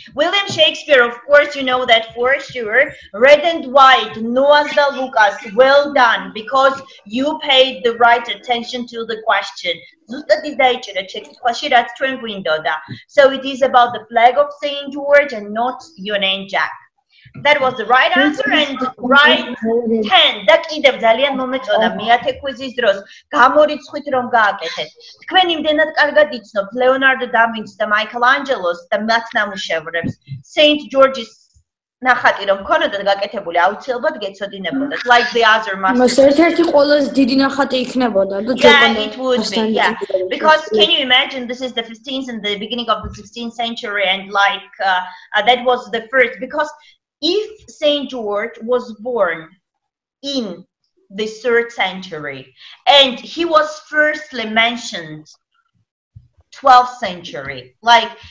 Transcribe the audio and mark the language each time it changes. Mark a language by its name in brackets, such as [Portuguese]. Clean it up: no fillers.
[English] William Shakespeare, of course, you know that for sure. Red and white, Noah's the Lucas, well done, because you paid the right attention to the question. So it is about the flag of St. George and not Union Jack. That was the right answer and right 10. [Georgian] Და კიდევ ძალიან მომეწონა მეათე კვიზის დროს გამორიცხვით რომ გააკეთეთ. თქვენ იმდენად კარგად იცნობთ ლეონარდო და ვინჩს და მაიკელ ანჯელოს და მათ ნამუშევრებს. Saint George's ნახატი რომ ქონოდათ გაკეთებული აუცილებლად გეცოდინებოდათ. [English] Like the other masters. [Georgian] Მას ერთ-ერთი ყველაზე დიდი ნახატი იქნებოდა. [English] Yeah, it would be. Yeah. Because can you imagine this is the 15th and the beginning of the 16th century and like that was the first because if St. George was born in the 3rd century and he was firstly mentioned 12th century, like...